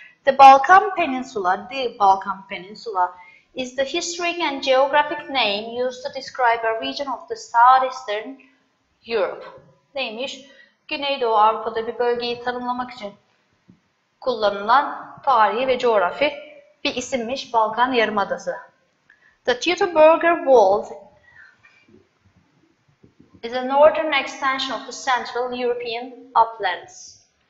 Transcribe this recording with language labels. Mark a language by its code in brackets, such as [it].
[en] The Balkan Peninsula, the Balkan Peninsula, is the historic and geographic name used to describe a region of the southeastern Europe. [tr] Neymiş? Güneydoğu Avrupa'da bir bölgeyi tanımlamak için kullanılan tarihi ve coğrafi bir isimmiş, Balkan Yarımadası. [en] The Teutoburger Wald is a northern extension of the Central European Uplands.